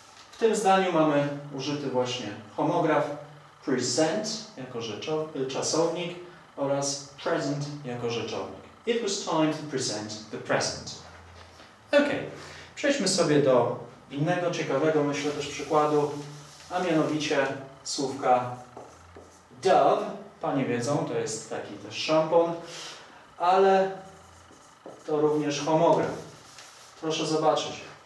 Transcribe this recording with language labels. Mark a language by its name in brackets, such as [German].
[Polish] W tym zdaniu mamy użyty właśnie homograf present jako czasownik oraz present jako rzeczownik. [English] It was time to present the present. [Polish] Ok, przejdźmy sobie do innego ciekawego, myślę, też przykładu, a mianowicie słówka Dove. Panie wiedzą, to jest taki też szampon, ale to również homograf. Proszę zobaczyć.